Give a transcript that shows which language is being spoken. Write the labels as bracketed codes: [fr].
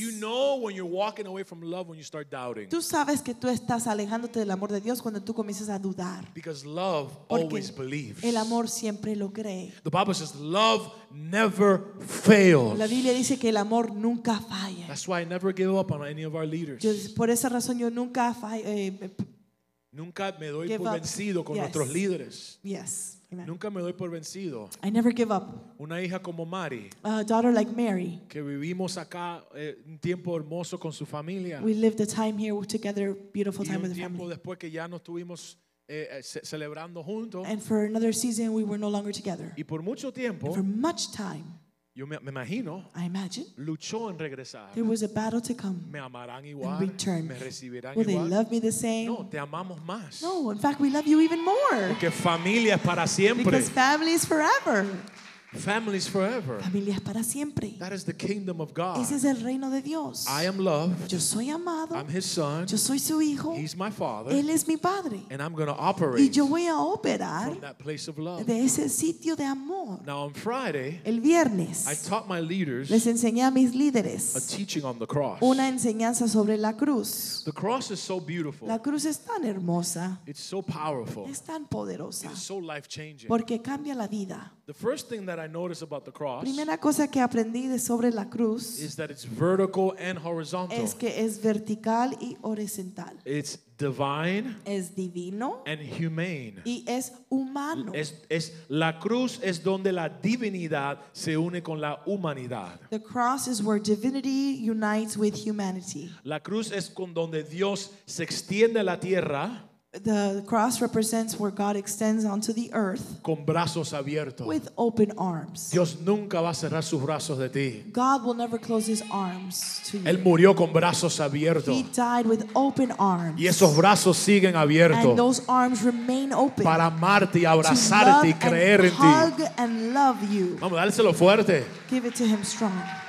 [en] You know when you're walking away from love when you start doubting. [es] Tú sabes que tú estás alejándote del amor de Dios cuando tú comienzas a dudar. [en] Because love always believes. [es] El amor siempre lo cree. [en] The Bible says love never fails. [es] La Biblia dice que el amor nunca falla. [en] That's why I never give up on any of our leaders. [es] Por esa razón yo nunca fallo. Nunca me doy por vencido con nuestros líderes. [en] Yes. Amen. [es] Nunca me doy por vencido. [en] I never give up. [es] Una hija como Mari. [en] A daughter like Mary. [es] Que vivimos acá un tiempo hermoso con su familia. [en] We lived a time here together, beautiful time with the family. [es] Y un tiempo después que ya no estuvimos celebrando juntos. [en] And for another season we were no longer together. [es] Y por mucho tiempo. [en] And for much time. [es] Yo me imagino. [en] I imagine. [es] Luchó en regresar. [en] There was a battle to come. [es] Me amarán igual. [en] Return. [es] Me recibirán [en] will [es] igual. [en] They love me the same? [es] No, te amamos más. [en] No, in fact, we love you even more. [es] Porque familia es para siempre. Because family is forever. [en] Family is forever. [es] Familia es para siempre. [en] That is the kingdom of God. [es] Ese es el reino de Dios. [en] I am loved. [es] Yo soy amado. [en] I'm his son. [es] Yo soy su hijo. [en] He's my father. [es] Él es mi padre. [en] And I'm going to operate. [es] Y yo voy a operar [en] from that place of love. [es] De ese sitio de amor. [en] Now on Friday, [es] el viernes, [en] I taught my leaders, [es] les enseñé a mis líderes, [en] a teaching on the cross. [es] Una enseñanza sobre la cruz. [en] The cross is so beautiful. [es] La cruz es tan hermosa. [en] It's so powerful. [es] Es tan poderosa. [en] It's so life-changing. [es] Porque cambia la vida. [en] The first thing that I noticed about the cross, [es] primera cosa que aprendí de sobre la cruz, [en] is that it's vertical and horizontal. [es] Es que es vertical y horizontal. [en] It's divine, [es] es divino, [en] and humane. [es] Y es humano. Es la cruz es donde la divinidad se une con la humanidad. [en] The cross is where divinity unites with humanity. [es] La cruz es con donde Dios se extiende a la tierra. [en] The cross represents where God extends onto the earth [es] con brazos abiertos. [en] With open arms. [es] Dios nunca va a cerrar sus brazos de ti. [en] God will never close his arms to you. [es] Él murió con brazos abiertos. [en] He died with open arms. [es] Y esos brazos siguen abiertos. [en] And those arms remain open. [es] Para amarte y abrazarte y creer [en] and [es] en [en] hug [es] ti. [en] And love you. [es] Vamos, dáselo fuerte. [en] Give it to him strong.